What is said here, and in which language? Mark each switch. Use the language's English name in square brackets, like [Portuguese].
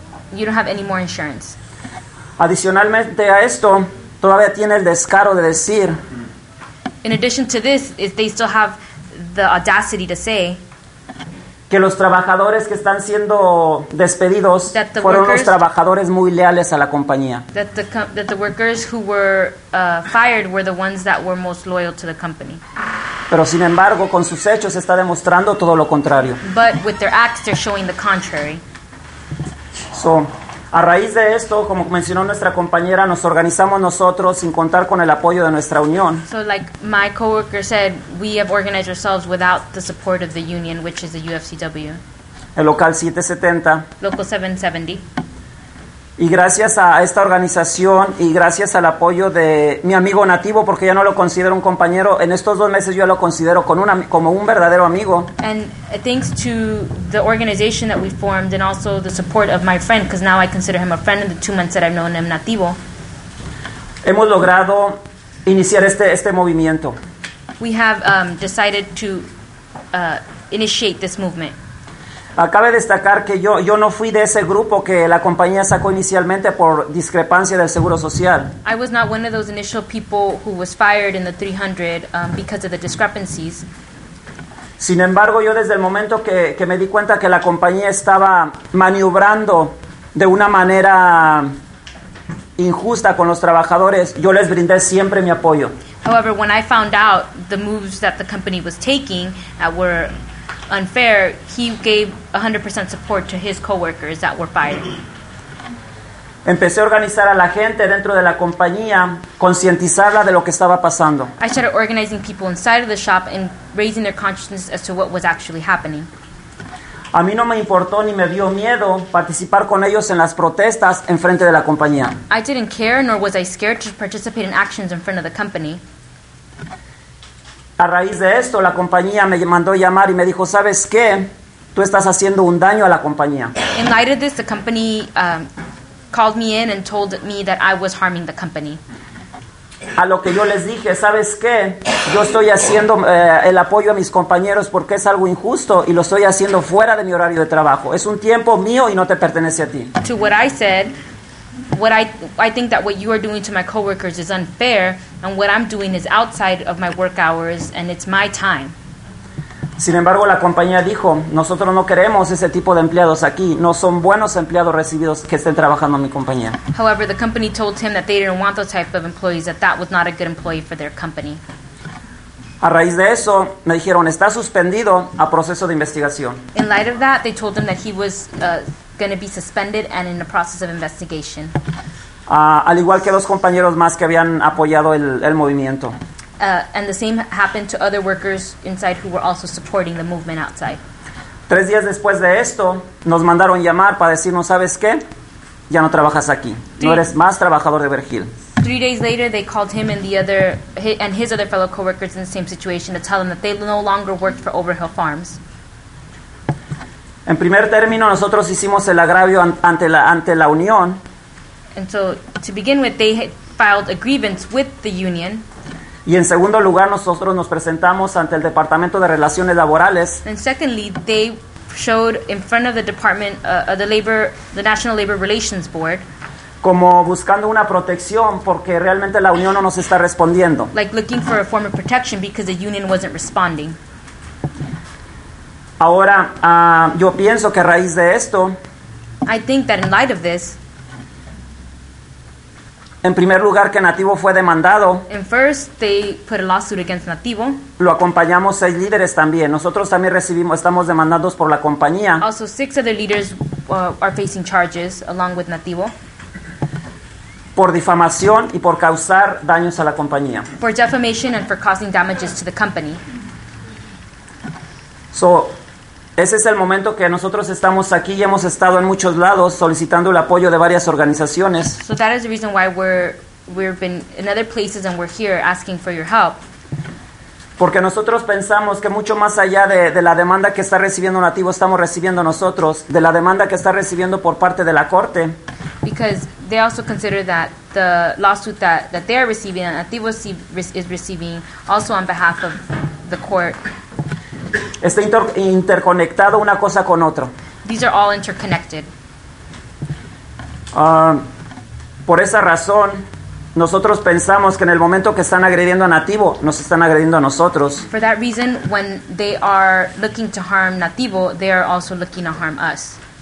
[English] You don't have any more insurance. [Spanish] Adicionalmente a esto, todavía tiene el descaro de decir. [English] In addition to this, is they still have the audacity to say [Spanish] que los trabajadores que están siendo despedidos fueron los trabajadores muy leales a la compañía. [English] That the workers who were fired were the ones that were most loyal to the company. [Spanish] Pero sin embargo, con sus hechos está demostrando todo lo contrario. [English] But with their acts, they're showing the contrary. [Spanish] So, a raíz de esto, como mencionó nuestra compañera, nos organizamos nosotros sin contar con el apoyo de nuestra unión. [English] So, like my coworker said, we have organized ourselves without the support of the union, which is the UFCW. [Spanish] El local 770. [English] Local 770. [Spanish] Y gracias a esta organización y gracias al apoyo de mi amigo nativo, porque ya no lo considero un compañero, en estos dos meses yo lo considero como un verdadero amigo. [English] And thanks to the organization that we formed and also the support of my friend, because now I consider him a friend in the 2 months that I've known him nativo. [Spanish] Hemos logrado iniciar este movimiento. [English] We have decided to initiate this movement. [Spanish] Acabe destacar que yo no fui de ese grupo que la compañía sacó inicialmente por discrepancia del Seguro Social. [English] I was not one of those initial people who was fired in the 300 because of the discrepancies. [Spanish] Sin embargo, yo desde el momento que me di cuenta que la compañía estaba maniobrando de una manera injusta con los trabajadores, yo les brindé siempre mi apoyo. [English] However, when I found out the moves that the company was taking that were unfair, he gave 100% support to his coworkers that were fired. [Spanish] Empecé a organizar a la gente dentro de la compañía, concientizarla de lo que estaba pasando. [English] I started organizing people inside of the shop and raising their consciousness as to what was actually happening. [Spanish] A mí no me importó ni me dio miedo participar con ellos en las protestas en frente de la compañía. [English] I didn't care nor was I scared to participate in actions in front of the company. A raíz de esto, la compañía me mandó llamar y me dijo, ¿sabes qué? Tú estás haciendo un daño a la compañía. In light of this, the company called me in and told me that I was harming the company. [Spanish] A lo que yo les dije, ¿sabes qué? Yo estoy haciendo el apoyo a mis compañeros porque es algo injusto y lo estoy haciendo fuera de mi horario de trabajo. Es un tiempo mío y no te pertenece a ti. [English] To what I said, I think that what you are doing to my coworkers is unfair, and what I'm doing is outside of my work hours, and it's my time. [Spanish] Sin embargo, la compañía dijo, nosotros no queremos ese tipo de empleados aquí. No son buenos empleados recibidos que estén trabajando en mi compañía. [English] However, the company told him that they didn't want those type of employees, that was not a good employee for their company. [Spanish] A raíz de eso, me dijeron, está suspendido a proceso de investigación. [English] In light of that, they told him that he was going to be suspended and in the process of investigation. [Spanish] Al igual que los compañeros más que habían apoyado el movimiento. [English] And the same happened to other workers inside who were also supporting the movement outside. [Spanish] 3 días después de esto, nos mandaron llamar para decirnos, ¿sabes qué? Ya no trabajas aquí. No eres más trabajador de Vergil. [English] 3 days later, they called him and his other fellow coworkers in the same situation to tell them that they no longer worked for Overhill Farms. [Spanish] En primer término, nosotros hicimos el agravio ante la unión. [English] And so, to begin with, they filed a grievance with the union. [Spanish] Y en segundo lugar, nosotros nos presentamos ante el Departamento de Relaciones Laborales. [English] And secondly, they showed in front of the Department of the National Labor Relations Board. [Spanish] Como buscando una protección porque realmente la unión no nos está respondiendo. [English] Like looking for a form of protection because the union wasn't responding. [Spanish] Ahora, yo pienso que a raíz de esto, [English] I think that in light of this, [Spanish] en primer lugar que Nativo fue demandado, [English] and first they put a lawsuit against Nativo, [Spanish] lo acompañamos 6 líderes también. Nosotros también estamos demandados por la compañía. [English] Also 6 other leaders are facing charges along with Nativo. [Spanish] Por difamación y por causar daños a la compañía. [English] For defamation and for causing damages to the company. [Spanish] So, ese es el momento que nosotros estamos aquí y hemos estado en muchos lados solicitando el apoyo de varias organizaciones. [English] So that is the reason why we've been in other places and we're here asking for your help. [Spanish] Porque nosotros pensamos que mucho más allá de la demanda que está recibiendo Nativo, estamos recibiendo nosotros, de la demanda que está recibiendo por parte de la Corte. [English] Because they also consider that the lawsuit that they are receiving, and Nativo is receiving, also on behalf of the court. [Spanish] Está interconectado una cosa con otro. [English] These are all interconnected. [Spanish] Por esa razón, nosotros pensamos que en el momento que están agrediendo a Nativo, nos están agrediendo a nosotros. [English] For that reason, when they are looking to harm Nativo, they are also looking to harm us.